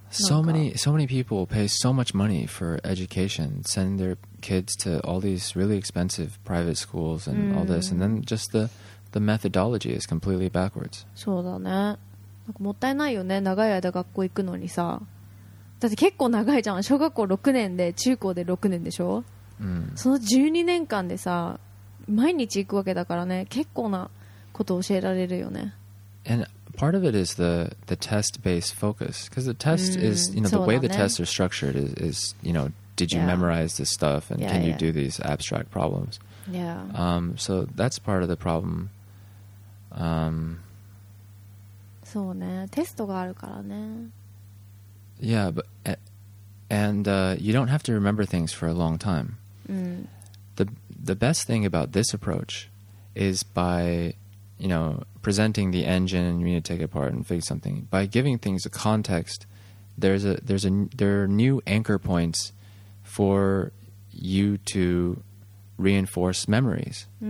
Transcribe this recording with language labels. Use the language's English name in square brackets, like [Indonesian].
[English] So many people pay so much money for education, send their kids to all these really expensive private schools and all this, and then just the methodology is completely backwards. [Japanese] そうだね、なんかもったいないよね、長い間学校行くのにさ。だって結構長いじゃん、小学校6年で中高で6年でしょ。その12年間でさ毎日行くわけだからね結構なこと教えられるよね [English] And part of it is the test-based focus because the test is you know, the way the tests are structured is you know, did you memorize this stuff and can you do these abstract problems so that's part of the problem [Japanese] そうねテストがあるからね [English] Yeah, but and you don't have to remember things for a long time. The best thing about this approach is by, you know, presenting the engine and you need to take it apart and fix something. By giving things a context, there are new anchor points for you to reinforce memories.